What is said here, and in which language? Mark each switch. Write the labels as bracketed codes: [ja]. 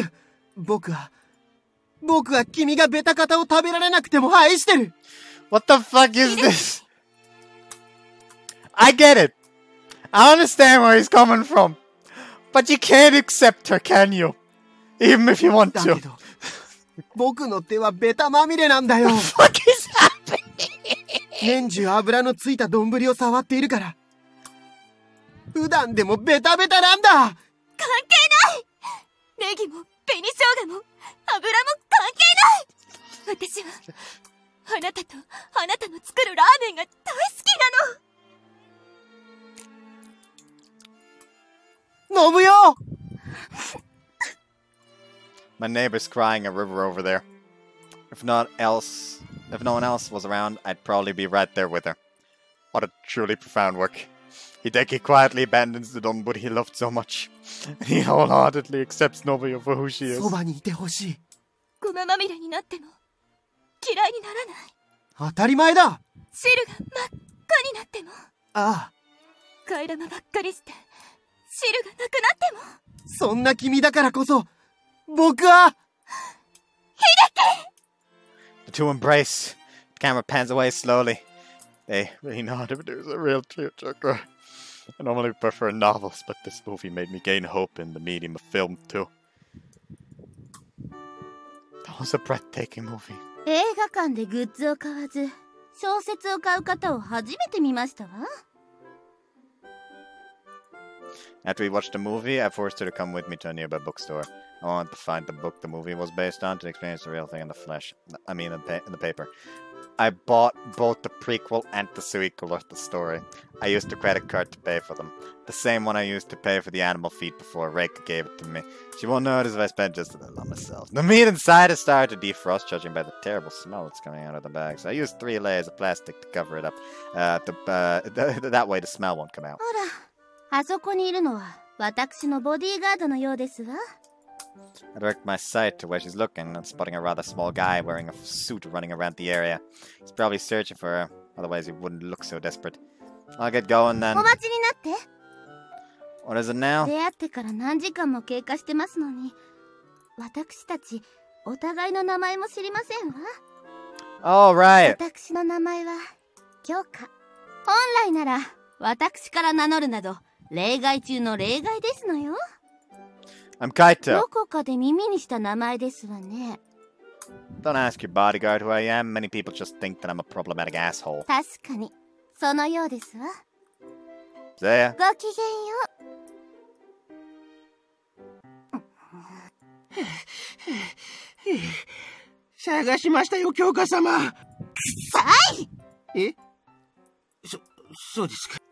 [ja] 違う僕は君がベタカタを食べられなくても愛してる [en] What the fuck is this? I get it! I understand where he's coming from, but you can't accept her, can you? Even if you want to. [ja] 僕の手はベタまみれなんだよ。 [en] What is happening? [ja] 年中油のついた丼を触っているから。普段でもベタベタなんだ。関係ない。ネギも紅生姜も油も関係ない。私はあなたとあなたの作るラーメンが大好きなの。飲むよ。 [en] My neighbor's crying a river over there. If no one else was around, I'd probably be right there with her. What a truly profound work. Hideki quietly abandons the donbud he loved so much. He wholeheartedly accepts Nobuya for who she is. [ja] そばにいてほしい。ゴマまみれになっても嫌いにならない。当たり前だ。汁が真っ赤になっても。ああ。替え玉ばっかりして汁がなくなっても。そんな君だからこそ僕は。 Hideki! [en] The two embrace. The camera pans away slowly. They really know how to produce a real tearjerker. I normally prefer novels, but this movie made me gain hope in the medium of film, too. That was a breathtaking movie. [ja] 映画館でグッズを買わず、小説を買う方を初めて見ましたわ。 [en] After we watched the movie, I forced her to come with me to a nearby bookstore. I wanted to find the book the movie was based on to experience the real thing in the flesh. I mean, in the paper. I bought both the prequel and the sequel of the story. I used a credit card to pay for them. The same one I used to pay for the animal feed before Reika gave it to me. She won't notice if I spent just a little on myself. The meat inside has started to defrost, judging by the terrible smell that's coming out of the bags. I used three layers of plastic to cover it up. That way the smell won't come out. [ja] ほら、あそこにいるのは私のボディーガードのようですわ。 [en] I direct my sight to where she's looking, and spotting a rather small guy wearing a suit running around the area. He's probably searching for her, otherwise he wouldn't look so desperate. I'll get going then. [ja] お待ちになって。 [en] What is it now? [ja] 出会ってから何時間も経過してますのに、私たちお互いの名前も知りませんわ。 [en] All right. [ja] 私の名前は京花。本来なら私から名乗るなど例外中の例外ですのよ。 [en] I'm Kaito. [ja] どこかで耳にした名前ですわね。 [en] Don't ask your bodyguard who I am. Many people just think that I'm a problematic asshole. [ja] 確かに、そのようですわ。 [en] See ya. [ja] ごきげんよう。探しましたよ、京花様。くさい！え？そうですか。